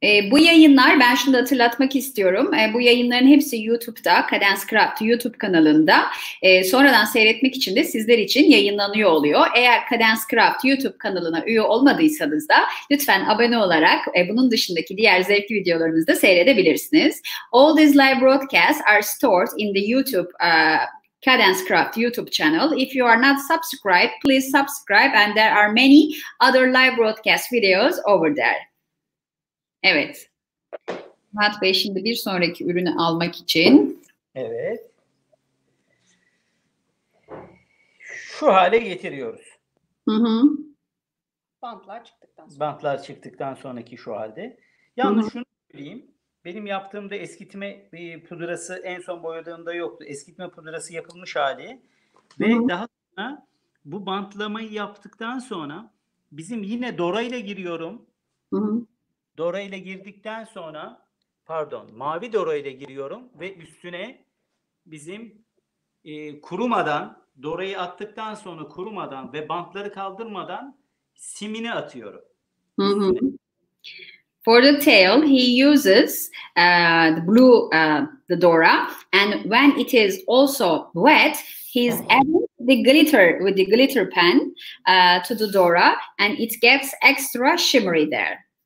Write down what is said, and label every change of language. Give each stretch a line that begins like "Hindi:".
Turkish: Bu yayınlar, ben şunu da hatırlatmak istiyorum. Bu yayınların hepsi YouTube'da, Cadence Craft YouTube kanalında. Sonradan seyretmek için de sizler için yayınlanıyor oluyor. Eğer Cadence Craft YouTube kanalına üye olmadıysanız da lütfen abone olarak bunun dışındaki diğer zevkli videolarımızı da seyredebilirsiniz.
English: All these live broadcasts are stored in the YouTube Cadence Craft YouTube channel. If you are not subscribed, please subscribe and there are many other live broadcast videos over there.
Turkish: Evet. Murat Bey şimdi bir sonraki ürünü almak için. Evet. Şu hale getiriyoruz. Bantlar çıktıktan sonra. Bantlar çıktıktan sonraki şu halde. Yalnız şunu söyleyeyim. Benim yaptığımda eskitme pudrası en son boyadığımda yoktu. Eskitme pudrası yapılmış hali. Ve daha sonra bu bantlamayı yaptıktan sonra bizim yine Dora ile giriyorum. Dora ile girdikten sonra, pardon, mavi Dora ile giriyorum ve üstüne bizim kurumadan, Dora'yı attıktan sonra kurumadan ve bantları kaldırmadan simini atıyorum.
English: For the tail, he uses the blue the Dora, and when it is also wet, he's adding the glitter with the glitter pen to the Dora, and it gets extra shimmery there.